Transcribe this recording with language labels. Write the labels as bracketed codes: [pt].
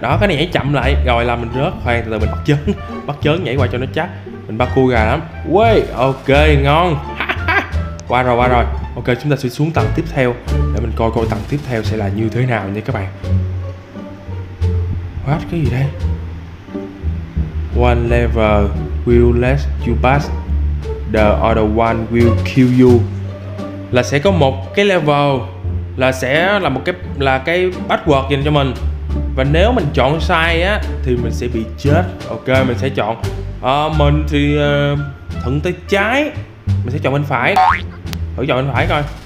[vi] Đó, cái này nhảy chậm lại rồi là mình rớt. Khoan, từ từ mình bắt chớn. Bắt chớn nhảy qua cho nó chắc. Mình parkour gà lắm. Ui, ok, ngon. Qua rồi. Ok, chúng ta sẽ xuống tầng tiếp theo để mình coi tầng tiếp theo sẽ là như thế nào nha các bạn. What, cái gì đây? [en] One level will let you pass, the other one will kill you. [vi] Là sẽ có một cái level là sẽ là một cái là cái password dành cho mình, và nếu mình chọn sai á thì mình sẽ bị chết. Ok, mình sẽ chọn mình thì thuận tới trái, mình sẽ chọn bên phải. Thử chọn bên phải coi.